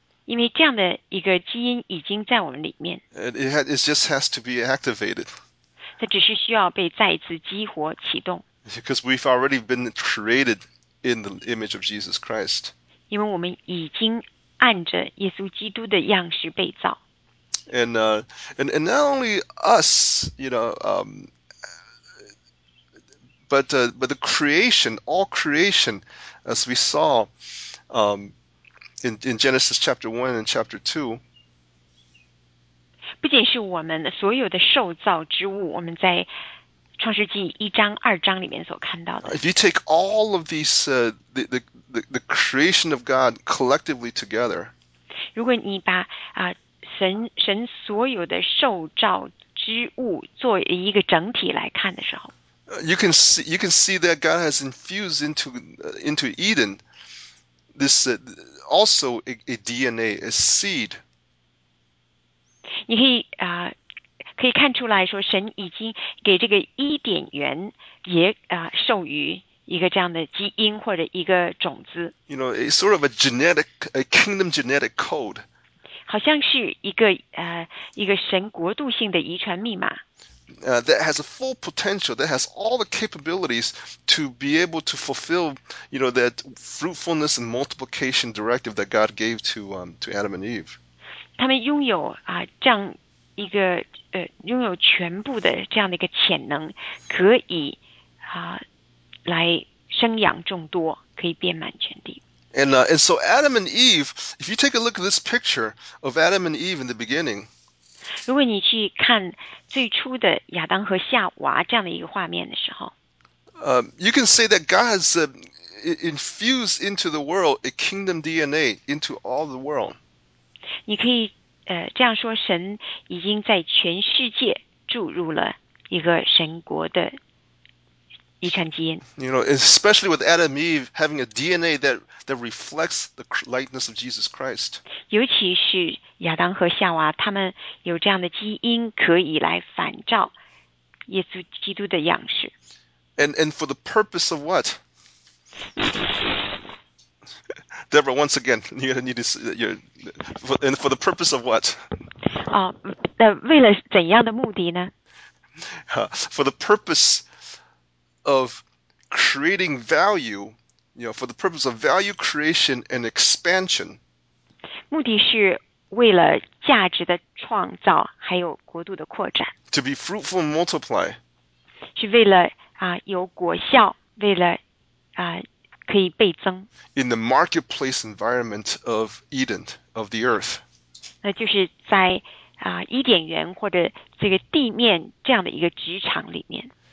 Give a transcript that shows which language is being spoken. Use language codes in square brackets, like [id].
[zh] 因为这样的一个基因已经在我们里面， [en] It just has to be activated. [zh] 它只是需要被再一次激活启动。 [en] Because we've already been created in the image of Jesus Christ. [zh] 因为我们已经按着耶稣基督的样式被造。 [en] And not only us, but the creation, all creation, as we saw in Genesis chapter 1 and chapter 2. [zh] 不仅是我们所有的受造之物，我们在创世纪1:2里面所看到的。 [en] If you take all of these, the creation of God collectively together. [zh] 如果你把神所有的受造之物作为一个整体来看的时候。 [en] You can see that God has infused into Eden this also a DNA, a seed. [zh] 你可以看出来说，神已经给这个伊甸园也授予一个这样的基因或者一个种子， [en] You know, it's sort of a kingdom genetic code. [zh] 好像是一个神国度性的遗传密码。 [en] That has a full potential, that has all the capabilities to be able to fulfill, you know, that fruitfulness and multiplication directive that God gave to Adam and Eve. [zh] 他们拥有这样一个拥有全部的这样的一个潜能，可以来生养众多，可以遍满全地。 [en] And so Adam and Eve, if you take a look at this picture of Adam and Eve in the beginning, [zh] 如果你去看最初的亚当和夏娃这样的一个画面的时候， [en] You can say that God has infused into the world a kingdom DNA into all the world. [zh] 你可以这样说，神已经在全世界注入了一个神国的遗传基因。 [en] You know, especially with Adam and Eve having a DNA that reflects the likeness of Jesus Christ. [zh] 尤其是亚当和夏娃，他们有这样的基因，可以来反照耶稣基督的样式。 [en] And for the purpose of what? Deborah, once again, you need to see that you're. For the purpose of what? [zh] 为了怎样的目的呢？ [en] For the purpose of creating value, you know, for the purpose of value creation and expansion. [zh] 目的是为了价值的创造，还有国度的扩展， [en] To be fruitful and multiply. [zh] 是为了有果效，为了可以倍增。 [en] In the marketplace environment of Eden, of the earth. [zh] 那就是在伊甸园或者这个地面这样的一个职场里面，